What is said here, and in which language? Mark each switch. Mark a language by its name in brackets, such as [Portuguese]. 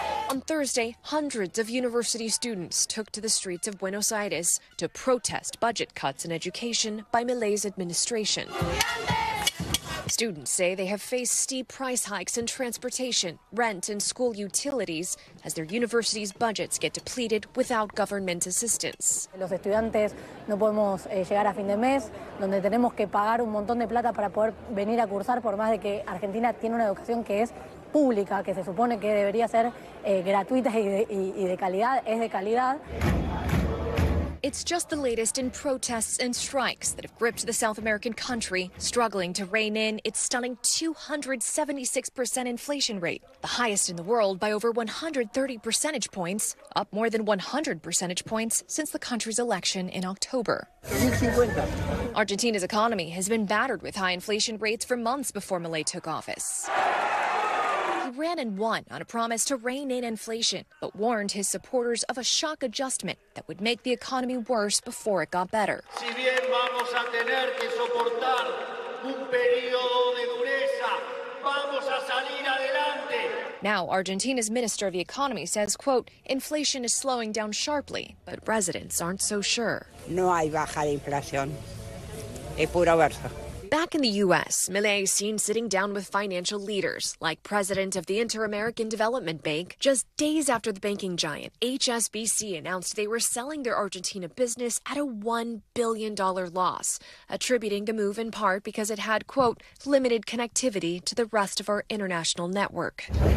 [English] On Thursday, hundreds of university students took to the streets of Buenos Aires to protest budget cuts in education by Milei's administration. Students say they have faced steep price hikes in transportation, rent, and school utilities as their university's budgets get depleted without government assistance. [Spanish] Los estudiantes no podemos llegar a fin de mes, donde tenemos que pagar un montón de plata para poder venir a cursar, por más de que Argentina tiene una educación que es pública, que se supone que debería ser gratuita y de calidad, es de calidad. [English] It's just the latest in protests and strikes that have gripped the South American country, struggling to rein in its stunning 276% inflation rate, the highest in the world by over 130 percentage points, up more than 100 percentage points since the country's election in October. Argentina's economy has been battered with high inflation rates for months before Milei took office. He ran and won on a promise to rein in inflation, but warned his supporters of a shock adjustment that would make the economy worse before it got better. [Spanish] Si bien vamos a tener que soportar un periodo de dureza, vamos a salir adelante. [English] Now, Argentina's Minister of the Economy says, quote, inflation is slowing down sharply, but residents aren't so sure. [Spanish] No hay baja de inflación. Es puro verso. [English] Back in the U.S., Milei is seen sitting down with financial leaders, like president of the Inter-American Development Bank, just days after the banking giant HSBC announced they were selling their Argentina business at a $1 billion loss, attributing the move in part because it had, quote, limited connectivity to the rest of our international network.